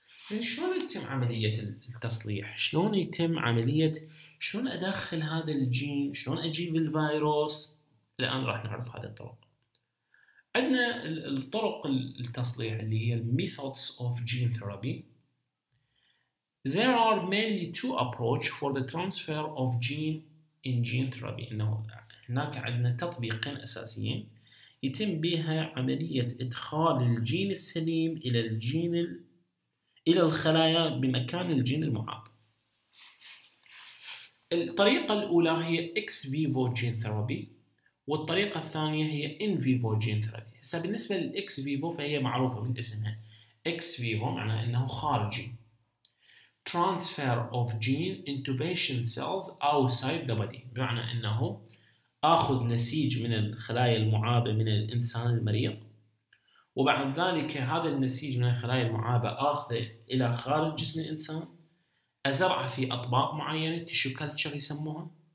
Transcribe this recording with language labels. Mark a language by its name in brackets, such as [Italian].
[Arabic] زين شلون يتم عمليه التصليح؟ شلون يتم عمليه شلون ادخل هذا الجين؟ شلون اجيب الفيروس؟ الان راح نعرف هذه الطرق. عندنا الطرق التصليح اللي هي methods of gene therapy. [English] There are mainly two approaches for the transfer of gene in gene therapy. [Arabic] إنه هناك عندنا تطبيقين أساسيين يتم بها عملية إدخال الجين السليم إلى الجين إلى الخلايا بمكان الجين المعاب. الطريقة الأولى هي ex vivo gene therapy، والطريقة الثانية هي in vivo gene therapy. بالنسبة لل ex vivo فهي معروفة من اسمها، ex vivo معناه إنه خارجي. [English] Transfer of gene into patient cells outside the body. [Arabic] بمعنى أنه أخذ نسيج من الخلايا المعابة من الإنسان المريض، وبعد ذلك هذا النسيج من الخلايا المعابة أخذ إلى خارج جسم الإنسان، أزرعه في أطباق معينة tissue culture يسموها،